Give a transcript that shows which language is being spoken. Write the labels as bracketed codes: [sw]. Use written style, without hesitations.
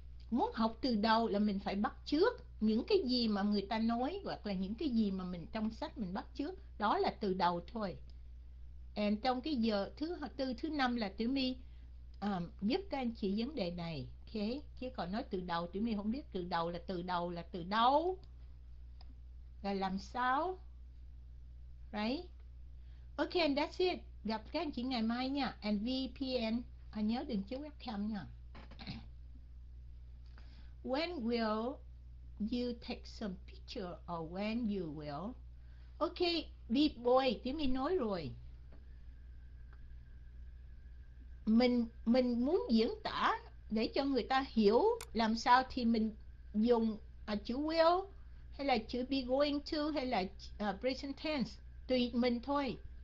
[vi] muốn học từ đầu là mình phải bắt chước những cái gì mà người ta nói hoặc là những cái gì mà mình trong sách mình bắt chước đó là từ đầu thôi, em trong cái giờ thứ tư thứ năm là Tiểu My giúp các anh chị vấn đề này, ok chứ còn nói từ đầu Tiểu My không biết từ đầu là từ đầu là từ đâu là làm sao, right ok [en] and that's it, [vi] gặp các anh chị ngày mai nha, and VPN nhớ đừng chiếu webcam nha. [en] When will you take some picture or when you will? Okay, big boy, [vi] Tiếng Mi nói rồi. Mình muốn diễn tả để cho người ta hiểu làm sao thì mình dùng chữ will hay là chữ be going to hay là present tense tùy mình thôi.